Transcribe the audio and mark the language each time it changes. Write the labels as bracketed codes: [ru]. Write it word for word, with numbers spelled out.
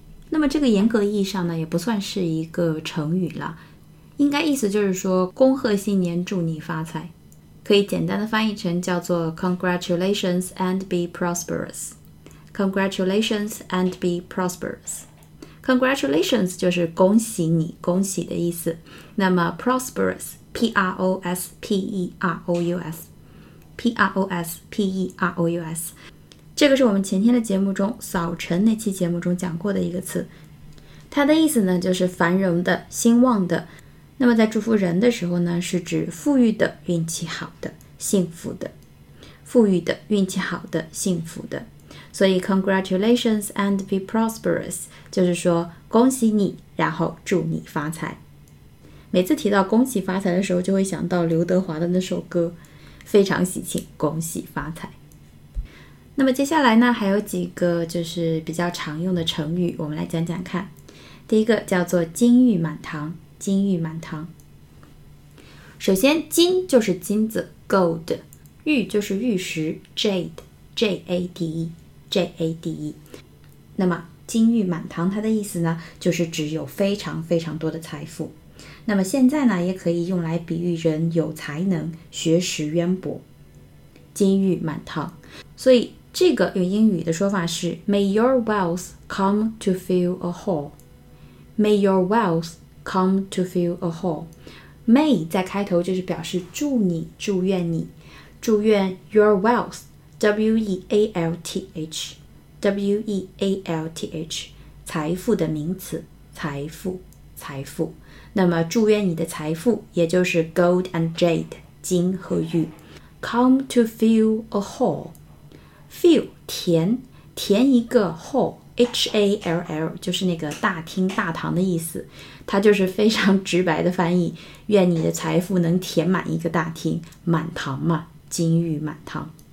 [zh] 那么这个严格意义上呢，也不算是一个成语啦，应该意思就是说恭贺新年，祝你发财，可以简单的翻译成叫做 [en] Congratulations and be prosperous。 Congratulations and be prosperous。 [zh] Congratulations 就是恭喜你，恭喜的意思。那么 prosperous P R O S P E R O U S P R O S P E R O U S 这个是我们前天的节目中，早晨那期节目中讲过的一个词，它的意思呢就是繁荣的、兴旺的。那么在祝福人的时候呢，是指富裕的、运气好的、幸福的。富裕的、运气好的、幸福的。所以 [en] Congratulations and be prosperous [zh] 就是说恭喜你，然后祝你发财。每次提到恭喜发财的时候，就会想到刘德华的那首歌，非常喜庆，恭喜发财。那么接下来呢，还有几个就是比较常用的成语，我们来讲讲看。第一个叫做金玉满堂，金玉满堂。首先，金就是金子 Gold， 玉就是玉石 Jade， J A D E J A D E。那么金玉满堂它的意思呢，就是指有非常非常多的财富。那么现在呢，也可以用来比喻人有才能，学识渊博，金玉满堂。所以这个用英语的说法是 [en] May your wealth come to fill a hole。 May your wealth come to fill a hole。 [zh] May 在开头就是表示祝你，祝愿你，祝愿 your wealth W E A L T H W E A L T H 财富的名词，财富，财富。那么祝愿你的财富，也就是 [en] gold and jade [zh] 金和玉。 [en] Come to fill a hole， [zh] fill 填，填一个 hole H A L L 就是那个大厅大堂的意思，它就是非常直白的翻译，愿你的财富能填满一个大厅，满堂嘛，金玉满堂。